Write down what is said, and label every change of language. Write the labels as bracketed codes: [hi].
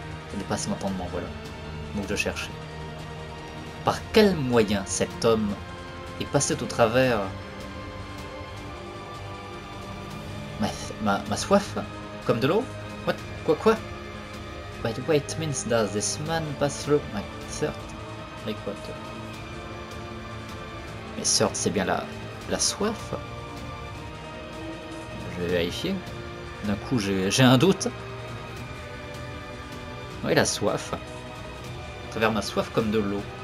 [fr] Ça dépasse l'entendement, voilà. Donc je cherchais. Par quel moyen cet homme est passé au travers ma soif comme de l'eau? [en] What? [fr] Quoi? [en] By the way, it means that this man passed through my third like water. [fr] Mais third, c'est bien la soif. Je vais vérifier. D'un coup, j'ai un doute. Oui, la soif. À travers ma soif comme de l'eau.